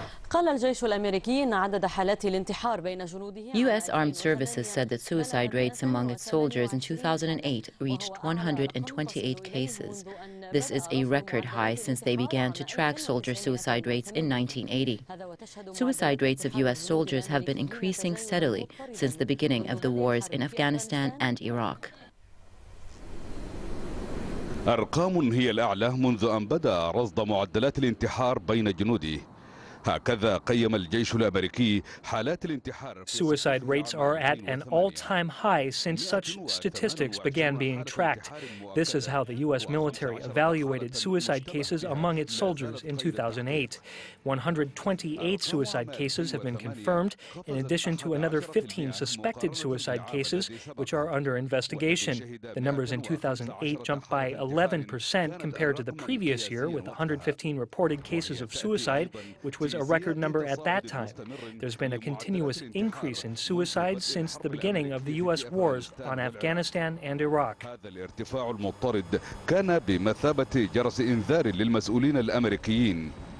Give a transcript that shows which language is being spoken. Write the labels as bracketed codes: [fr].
[ar] قال الجيش الأمريكي إن عدد حالات الانتحار بين جنوده. [en] U.S. Armed Services said that suicide rates among its soldiers in 2008 reached 128 cases. This is a record high since they began to track soldier suicide rates in 1980. Suicide rates of U.S. soldiers have been increasing steadily since the beginning of the wars in Afghanistan and Iraq. [ar] أرقام هي الأعلى منذ أن بدأ رصد معدلات الانتحار بين جنوده. هكذا قيم الجيش الأمريكي حالات الانتحار. [en] Suicide rates are at an all-time high since such statistics began being tracked. This is how the U.S. military evaluated suicide cases among its soldiers in 2008. 128 suicide cases have been confirmed, in addition to another 15 suspected suicide cases, which are under investigation. The numbers in 2008 jumped by 11% compared to the previous year, with 115 reported cases of suicide, which was a record number at that time. There's been a continuous increase in suicides since the beginning of the U.S. wars on Afghanistan and Iraq. [ar] هذا الارتفاع المضطرد كان بمثابة جرس إنذار للمسؤولين الأمريكيين.